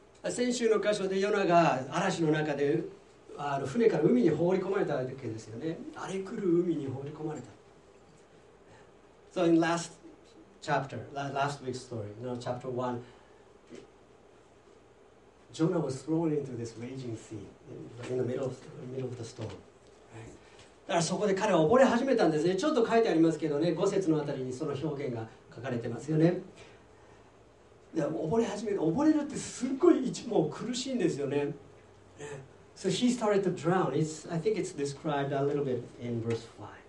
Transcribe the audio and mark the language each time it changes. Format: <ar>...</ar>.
<ja>先週の箇所でヨナが嵐の中で船から海に放り込まれたわけですよね。荒れ狂う海に放り込まれた。</ja> <en>So in last chapter, last week's story, you know, chapter 1, Jonah was thrown into this raging sea in the middle of the storm.</en> <ja>だからそこで彼は溺れ始めたんですね。ちょっと書いてありますけどね、5節のあたりにその表現が書かれてますよね。で、溺れるってすっごい一もう苦しいんですよね。</ja> <en>So he started to drown. I think it's described a little bit in verse 5.</en>